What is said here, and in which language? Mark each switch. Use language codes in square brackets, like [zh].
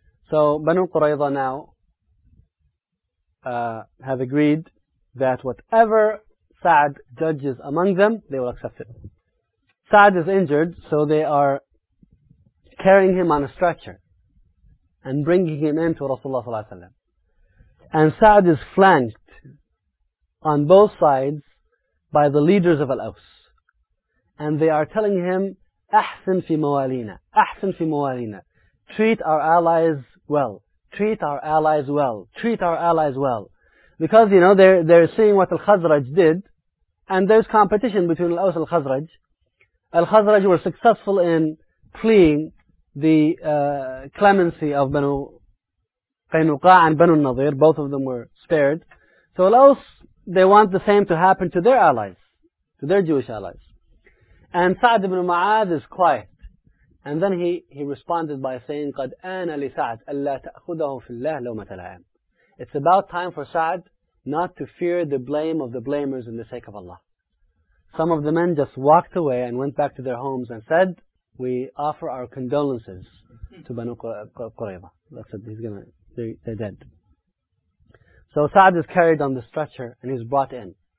[en] So Banu Qurayza now have agreed that whatever Sa'd judges among them, they will accept it. Sa'd is injured, so they are carrying him on a stretcher and bringing him into Rasulullah sallallahu alaihi wasallam. And Sa'd is flanked on both sides by the leaders of Al-Aws. And they are telling him, [ar] أحسن في موالينا, أحسن في موالينا. [en] Treat our allies well. Treat our allies well. Treat our allies well. Because, you know, they're seeing what Al-Khazraj did. And there's competition between Al-Aws and Al-Khazraj. Al-Khazraj were successful in pleading the clemency of Banu Qaynuqa and Banu Nadir, both of them were spared. So Al-Aws, they want the same to happen to their allies, to their Jewish allies. And Sa'd ibn Mu'adh is quiet. And then he responded by saying, [ar] قَدْ آنَ لِسَعْدْ أَلَّا تَأْخُدَهُ فِي اللَّهِ لَوْمَةَ الْعَامِ. [en] It's about time for Sa'd not to fear the blame of the blamers in the sake of Allah. Some of the men just walked away and went back to their homes and said, we offer our condolences to Banu Qurayza. That's it, they're dead. So Sa'd is carried on the stretcher and he's brought in.